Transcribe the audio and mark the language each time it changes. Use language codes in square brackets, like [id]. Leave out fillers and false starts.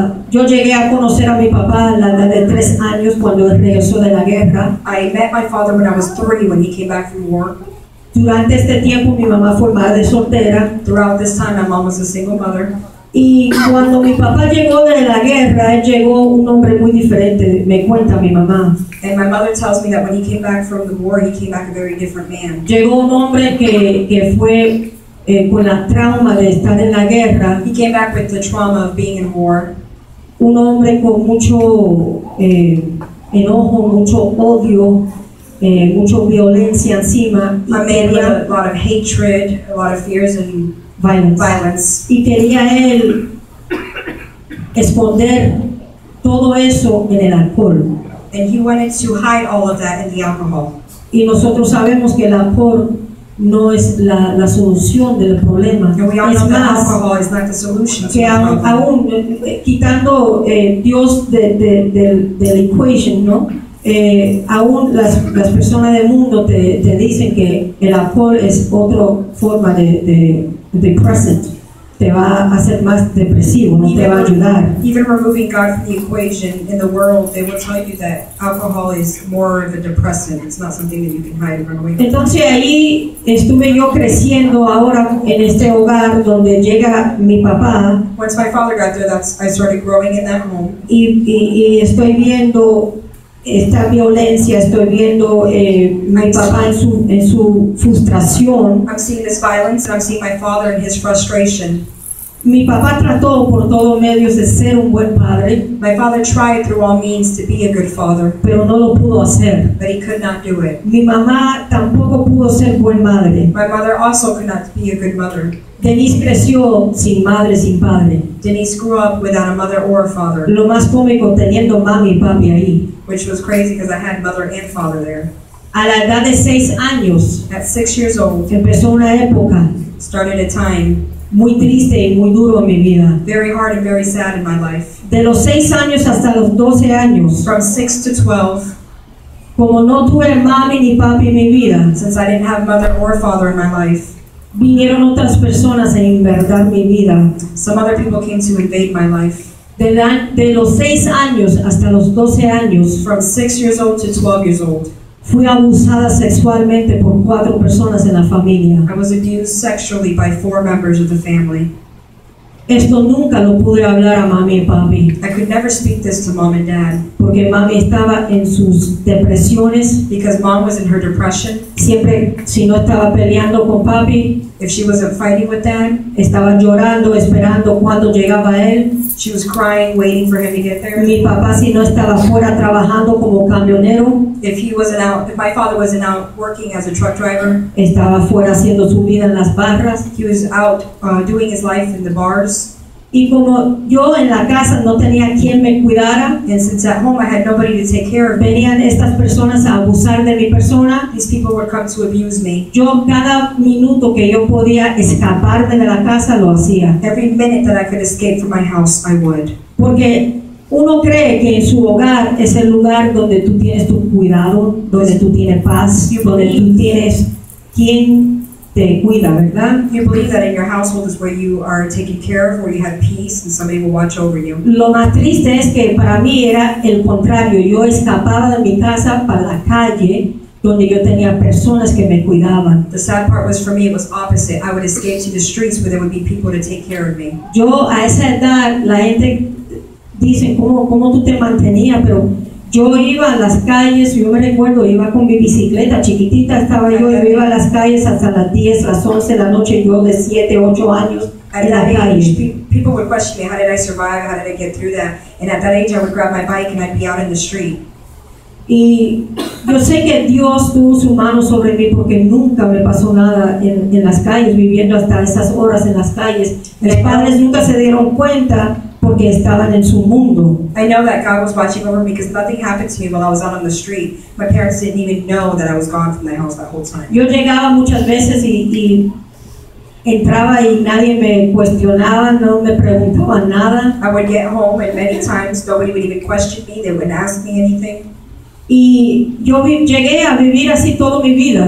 [es] Yo llegué a conocer a mi papá a la edad de 3 años cuando él regresó de la guerra. [en] I met my father when I was 3 when he came back from war. [es] Durante este tiempo mi mamá fue madre soltera. [en] Throughout this time my mom was a single mother. [es] Y cuando mi papá llegó de la guerra, él llegó un hombre muy diferente, me cuenta mi mamá. [en] And my mother tells me that when he came back from the war, he came back a very different man. [es] Llegó un hombre que fue con la trauma de estar en la guerra. [en] He came back with the trauma of being in war. [es] Un hombre con mucho enojo, mucho odio, mucho violencia encima. [en] A man with a lot of hatred, a lot of fears and violence. [es] Y quería él esconder todo eso en el alcohol. [en] And he wanted to hide all of that in the alcohol. [es] Y nosotros sabemos que el alcohol no es la solución del problema. Es más, [en] alcohol is not the solution. [es] Que aún quitando Dios de la equation, ¿no? Aún las personas del mundo te dicen que el alcohol es otra forma de depressant. Te va a hacer más depresivo, no te va a ayudar. [en] Even removing God from the equation in the world, they will tell you that alcohol is more of a depressant. It's not something that you can hide and run away from. [es] Entonces ahí estuve yo creciendo ahora en este hogar donde llega mi papá. [en] Once my father got there, I started growing in that home. [es] Y estoy viendo esta violencia, estoy viendo mi papá en su frustración. [en] I'm seeing this violence and I'm seeing my father in his frustration. [es] Mi papá trató por todos medios de ser un buen padre. [en] My father tried through all means to be a good father. [es] Pero no lo pudo hacer. [en] But he could not do it. [es] Mi mamá tampoco pudo ser buen madre. [en] My mother also could not be a good mother. [es] Denise creció sin madre, sin padre. [en] Denise grew up without a mother or a father. [es] Lo más cómico, teniendo mami y papi ahí. [en] Which was crazy because I had mother and father there. [es] A la edad de 6 años. [en] At 6 years old. [es] Empezó una época. [en] Started a time. [es] Muy triste y muy duro en mi vida. [en] Very hard and very sad in my life. [es] De los 6 años hasta los 12 años. [en] From 6 to 12. [es] Como no tuve mami ni papi en mi vida. [en] Since I didn't have mother or father in my life. [es] Vinieron otras personas a invadir mi vida. [en] Some other people came to invade my life. [es] De los 6 años hasta los 12 años. [en] From 6 years old to 12 years old. [es] Fui abusada sexualmente por 4 personas en la familia. [en] I was abused sexually by 4 members of the family. [es] Esto nunca lo pude hablar a mami y papi. [en] I could never speak this to mom and dad. [es] Porque mami estaba en sus depresiones. [en] Because mom was in her depression. [es] Siempre, si no estaba peleando con papi. [en] If she wasn't fighting with dad. [es] Estaba llorando, esperando cuando llegaba él. [en] She was crying, waiting for him to get there. [es] Mi papá si no estaba fuera trabajando como camionero. [en] If he wasn't out, if my father wasn't out working as a truck driver. [es] Estaba fuera haciendo su vida en las barras. [en] He was out doing his life in the bars. [es] Y como yo en la casa no tenía quien me cuidara. [en] And since at home I had nobody to take care of. [es] Venían estas personas a abusar de mi persona. [en] These people were come to abuse me. [es] Yo cada minuto que yo podía escapar de la casa lo hacía. [en] Every minute that I could escape from my house I would. [es] Porque uno cree que en su hogar es el lugar donde tú tienes tu cuidado. Donde tú tienes paz. Donde tú tienes quien te cuida, ¿verdad? [en] You believe that in your household is where you are taken care of, where you have peace, and somebody will watch over you. [es] Lo más triste es que para mí era el contrario. Yo escapaba de mi casa para la calle, donde yo tenía personas que me cuidaban. [en] The sad part was for me, it was opposite. I would escape to the streets where there would be people to take care of me. [es] Yo a esa edad, la gente dice, ¿cómo tú te mantenías? Pero yo iba a las calles, yo me recuerdo, iba con mi bicicleta chiquitita, estaba yo, yo iba a las calles hasta las 10, las 11 de la noche, yo de 7, 8 años en la calle. [en] People would question me, how did I survive, how did I get through that? And at that age I would grab my bike and I'd be out in the street. [es] Y yo sé que Dios tuvo su mano sobre mí porque nunca me pasó nada en las calles, viviendo hasta esas horas en las calles. Mis padres nunca se dieron cuenta porque estaban en su mundo. [en] I know that God was watching over me because nothing happened to me while I was out on the street. My parents didn't even know that I was gone from the house that whole time. [es] Yo llegaba muchas veces y entraba y nadie me cuestionaba, no me preguntaba nada. [en] I would get home and many times nobody would even question me, they wouldn't ask me anything. [es] Y yo llegué a vivir así toda mi vida.